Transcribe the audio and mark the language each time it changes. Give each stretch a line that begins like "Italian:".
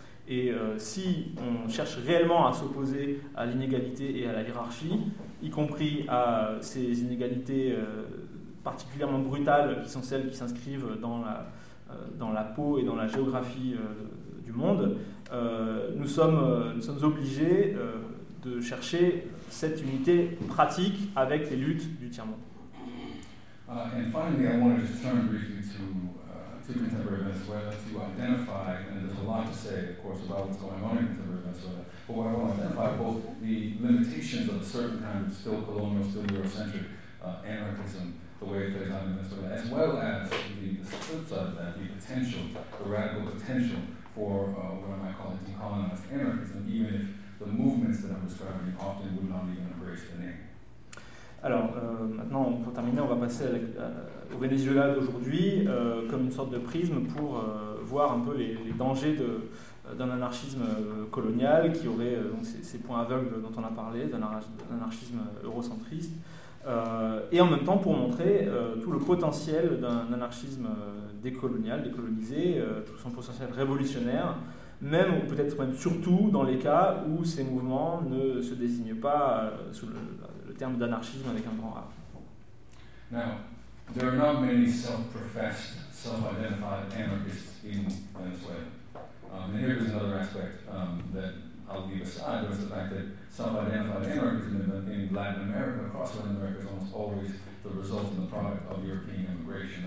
French: Et si on cherche réellement à s'opposer à l'inégalité et à la hiérarchie, y compris à ces inégalités particulièrement brutales qui sont celles qui s'inscrivent dans la peau et dans la géographie du monde, nous sommes obligés de chercher cette unité pratique avec les luttes du tiers-monde.
English: And finally, I wanted to turn briefly to contemporary Venezuela to identify, and there's a lot to say, of course, about what's going on in contemporary Venezuela, but I want to identify both the limitations of a certain kind of still colonial, still Eurocentric anarchism, the way it plays out in Venezuela, as well as the flip side of that, the potential, the radical potential for what I might call a decolonized anarchism, even if the movements that I'm describing often would not even embrace the name.
French: Alors, maintenant, pour terminer, on va passer au Venezuela d'aujourd'hui comme une sorte de prisme pour voir un peu les dangers d'un anarchisme colonial qui aurait donc ces points aveugles dont on a parlé, d'un anarchisme eurocentriste, et en même temps pour montrer tout le potentiel d'un anarchisme décolonial, décolonisé, tout son potentiel révolutionnaire, même ou peut-être même surtout dans les cas où ces mouvements ne se désignent pas sous le terme d'anarchisme avec un grand A.
English: Now, there are not many self-professed, self-identified anarchists in Venezuela. And here is another aspect that I'll leave aside, was the fact that self-identified anarchism in Latin America, across Latin America, is almost always the result and the product of European immigration.